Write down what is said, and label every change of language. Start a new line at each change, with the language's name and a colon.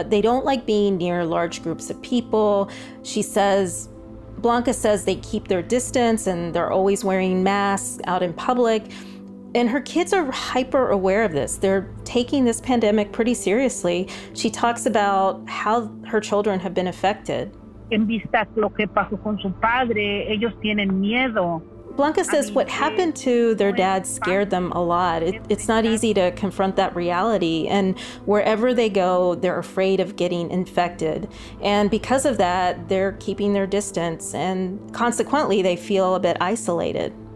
English: They don't like being near large groups of people. She says, Blanca says they keep their distance and they're always wearing masks out in public. And her kids are hyper aware of this. They're taking this pandemic pretty seriously. She talks about how her children have been affected.
Spanish: En vista lo que pasó con su padre, ellos tienen miedo.
English: Blanca says what happened to their dad scared them a lot. It's not easy to confront that reality. And wherever they go, they're afraid of getting infected. And because of that, they're keeping their distance. And consequently, they feel a bit isolated.